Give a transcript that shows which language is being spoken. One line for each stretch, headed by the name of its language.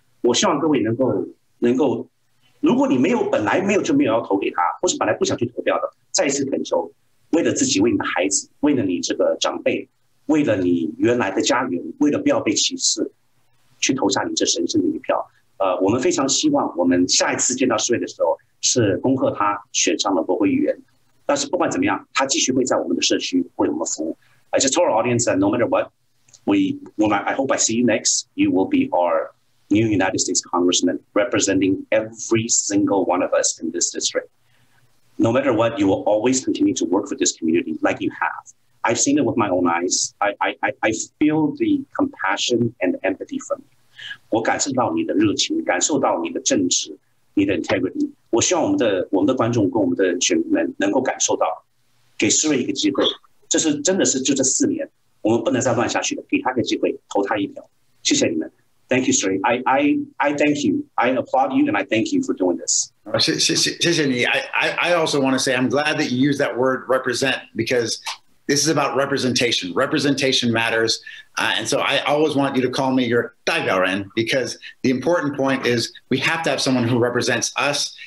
Chinese: 我希望各位能够，如果你没有本来没有就没有要投给他，或是本来不想去投票的，再一次恳求，为了自己、为你的孩子、为了你这个长辈、为了你原来的家园、为了不要被歧视，去投下你这神圣的一票。我们非常希望我们下一次见到世卫的时候是恭贺他选上了国会议员，但是不管怎么样，他继续会在我们的社区为我们服务。
English: I just told our audience that no matter what, I hope I see you next, you will be our new United States Congressman representing every single one of us in this district. No matter what, you will always continue to work for this community like you have. I've seen it with my own eyes. I feel the compassion and empathy from you.
Chinese: 我感受到你的热情，感受到你的正直，你的 integrity. 我希望我们的观众跟我们的选民们能够感受到，给世卫一个机会。这是真的是就这四年，我们不能再乱下去了。给他个机会，投他一票。谢谢你们。
English: Thank you, Siri. I thank you. I applaud you, and I thank you for doing this.
Chinese: 谢谢你。
English: I also want to say I'm glad that you use that word represent, because this is about representation. Representation matters, and so I always want you to call me your 代表人, because the important point is we have to have someone who represents us.